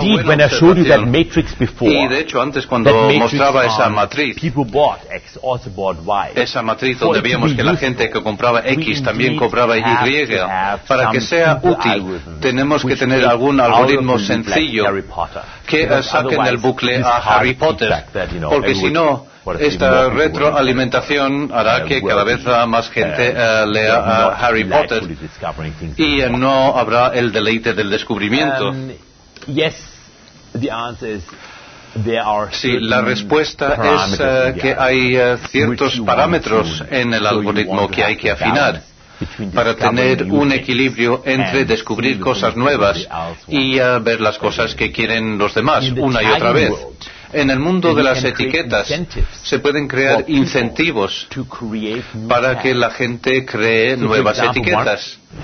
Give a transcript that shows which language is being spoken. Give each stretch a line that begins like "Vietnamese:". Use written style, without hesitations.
English: indeed, when I showed you that matrix before,
Spanish: y de hecho, antes, cuando
English: that
Spanish: mostraba esa matriz,
English: people bought X, also bought Y.
Spanish: Esa matriz donde veíamos que la gente que compraba X también compraba Y, para que sea útil, tenemos que tener algún algoritmo sencillo que saque del bucle a Harry Potter, porque si no, esta retroalimentación hará que cada vez más gente lea a Harry Potter y no habrá el deleite del descubrimiento.
English: Yes, the answer is there are
Spanish: sí, la respuesta es que hay ciertos parámetros en el algoritmo que hay que afinar para tener un equilibrio entre descubrir cosas nuevas y ver las cosas que quieren los demás una y otra vez. En el mundo de las etiquetas se pueden crear incentivos para que la gente cree nuevas etiquetas.